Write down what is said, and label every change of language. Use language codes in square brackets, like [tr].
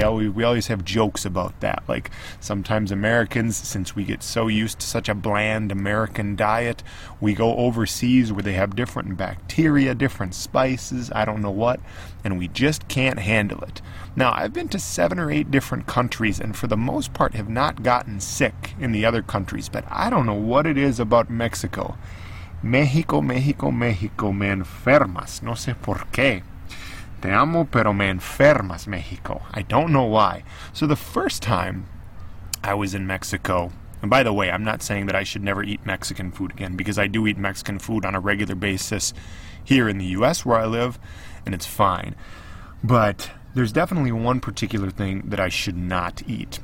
[en] We always have jokes about that. Like, sometimes Americans, since we get so used to such a bland American diet, we go overseas where they have different bacteria, different spices, I don't know what, and we just can't handle it. Now, I've been to 7 or 8 different countries, and for the most part have not gotten sick in the other countries, but I don't know what it is about Mexico. [es] Mexico, Mexico, Mexico, me enfermas, no sé por qué. Te amo, pero me enfermas, Mexico. [en] I don't know why. So the first time I was in Mexico, and by the way, I'm not saying that I should never eat Mexican food again, because I do eat Mexican food on a regular basis here in the U.S. where I live, and it's fine. But there's definitely one particular thing that I should not eat.